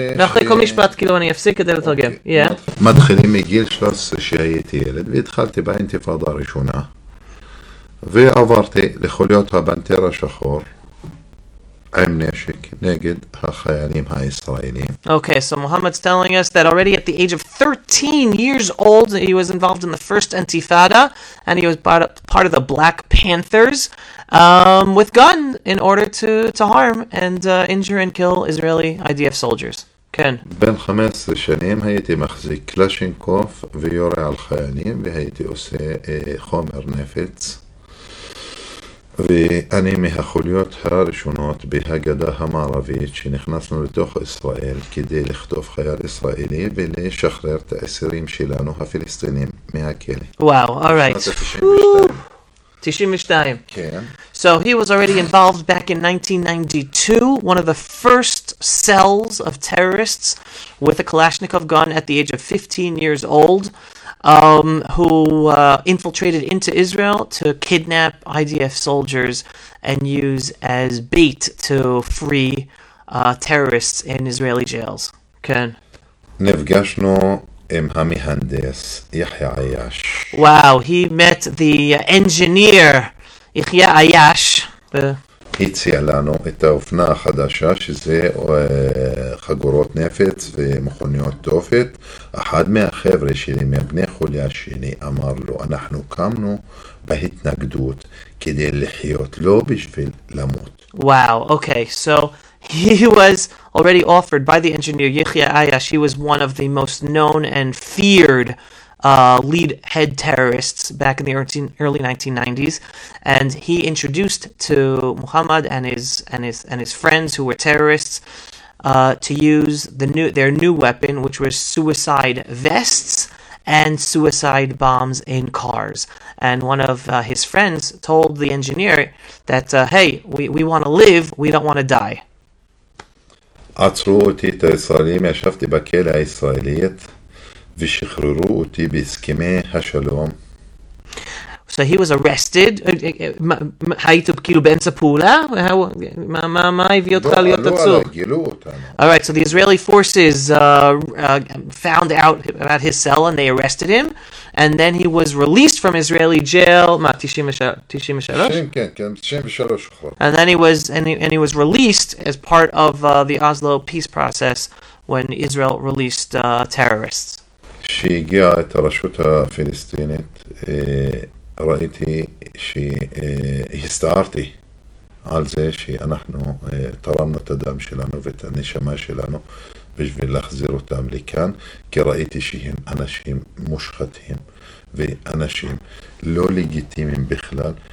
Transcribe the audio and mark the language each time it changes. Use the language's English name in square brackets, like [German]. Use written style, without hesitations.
[Hebrew] ואחרי כל משפט, כאילו, אני אפסיק כדי לתרגם. מתחילים מגיל 13 שהייתי ילד, והתחלתי באינטיפאדה הראשונה, ועברתי לחוליות הבנטר השחור, עם נשק, נגד החיילים הישראלים. [English] Okay, so Muhammad's telling us that already at the age of 13 years old, he was involved in the first intifada, and he was part of the Black Panthers, with gun in order to harm and injure and kill Israeli IDF soldiers. [Hebrew] כן. בן 15 שנים הייתי מחזיק קלשינקוף ויורה על חיילים והייתי עושה חומר נפץ. ואני מהחוליות הראשונות בהגדה המערבית שנכנסנו לתוך ישראל כדי לחטוף חייל ישראלי ולשחרר את האסירים שלנו הפלסטינים מהכלא. [English] וואו, אולייט. [Hebrew] שנת 92. [English] Okay. So he was already involved back in 1992, one of the first cells of terrorists with a Kalashnikov gun at the age of 15 years old, who infiltrated into Israel to kidnap IDF soldiers and use as bait to free terrorists in Israeli jails. Okay. [Hebrew] נפגשנו עם המהנדס יחיא עייש. [English] Wow, he met the engineer יחיא עייש. [Hebrew] הציע לנו את האופנה החדשה שזה חגורות נפץ ומכוניות תופת. אחד מהחבר'ה שלי מבני חוליה שני אמר לו אנחנו קמנו בהתנגדות כדי לחיות לא בשביל למות. [English] Wow, okay, so he was already offered by the engineer Yechia Ayash. He was one of the most known and feared head terrorists back in the early 1990s. And he introduced to Muhammad and his friends who were terrorists to use their new weapon, which was suicide vests and suicide bombs in cars. And one of his friends told the engineer that, hey, we want to live, we don't want to die. [Hebrew] עצרו אותי את הישראלים, ישבתי בכלא הישראלית ושחררו אותי בהסכמי השלום. [English] So he was arrested. [Hebrew] הייתו כאילו באמצע פעולה? מה הביא אותך להיות עצור? לא, גילו אותנו. [English] All right, so the Israeli forces found out about his cell and they arrested him. And then he was released from Israeli jail. [Hebrew] מה, 93? כן, 93 שחרר. [English] And then he was released as part of the Oslo peace process when Israel released terrorists. [Hebrew] שהגיע את הרשות הפלסטינית, ראיתי שהסתערתי על זה שאנחנו תרמנו את הדם שלנו ואת הנשמה שלנו בשביל להחזיר אותם לכאן, כי ראיתי שהם אנשים מושחתים ואנשים לא לגיטימיים בכלל,